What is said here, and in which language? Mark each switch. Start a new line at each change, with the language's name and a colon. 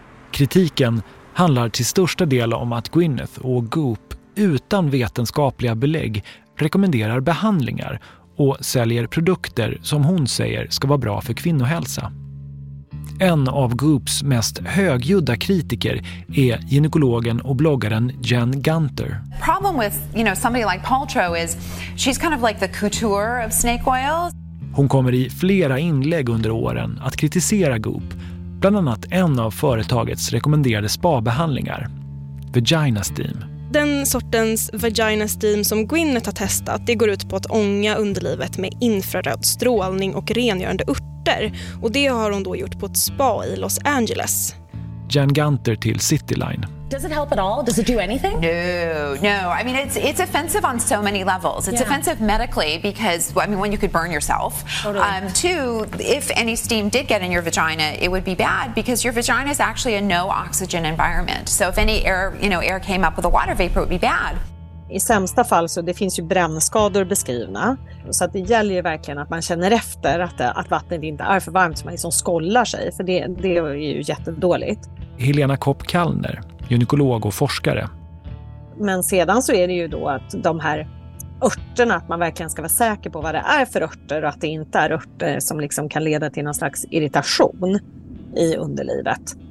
Swedish: Kritiken handlar till största del om att Gwyneth och Goop utan vetenskapliga belägg rekommenderar behandlingar och säljer produkter som hon säger ska vara bra för kvinnohälsa. En av Goops mest högljudda kritiker är gynekologen och bloggaren Jen Gunter.
English: Problem with, you know, somebody like Paltrow is she's kind of like the couture of snake oil.
Swedish: Hon kommer i flera inlägg under åren att kritisera Goop, bland annat en av företagets rekommenderade spabehandlingar, Vagina Steam. Den sortens Vagina Steam som Gwyneth har testat, det går ut på att ånga underlivet med infraröd strålning och rengörande urter. Och det har hon då gjort på ett spa i Los Angeles. Jen Gunter till Cityline.
English: Does it help at all? Does it do anything? No. I mean it's offensive on so many levels. It's offensive medically because I mean when you could burn yourself. Totally. Two, if any steam did get in your vagina, it would be bad because your vagina is actually a no oxygen environment. So if any air, you know, air came up with a water vapor, it would be bad.
Swedish: I sämsta fall så det finns ju brännskador beskrivna. Så att det gäller ju verkligen att man känner efter att vattnet inte är för varmt så man liksom skollar sig. För det är ju jättedåligt. Helena Kopp-Kallner, gynekolog och forskare. Men sedan så är det ju då att de här örterna, att man verkligen ska vara säker på vad det är för örter och att det inte är örter som liksom kan leda till någon slags irritation i underlivet.